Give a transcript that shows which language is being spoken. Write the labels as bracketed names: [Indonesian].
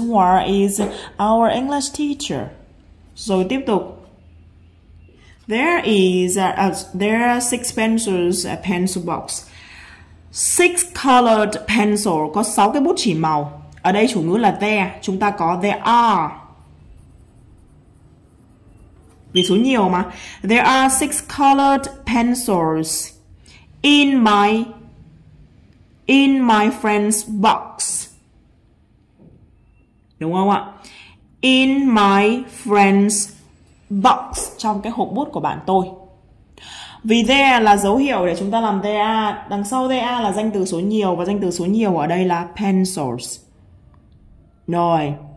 [English] Hua is our English teacher. [Vietnamese] Rồi tiếp tục. [English] There are six pencils, a pencil box. Six colored pencil, [Vietnamese] có 6 cái bút chì màu. Ở đây chủ ngữ là there, chúng ta có there are. Vì số nhiều mà. [English] There are six colored pencils in my friend's box. [Vietnamese] Đúng không ạ? [English] In my friend's box, [Vietnamese] trong cái hộp bút của bạn tôi. Vì there là dấu hiệu để chúng ta làm there are. Đằng sau there are là danh từ số nhiều, và danh từ số nhiều ở đây là pencils. Rồi.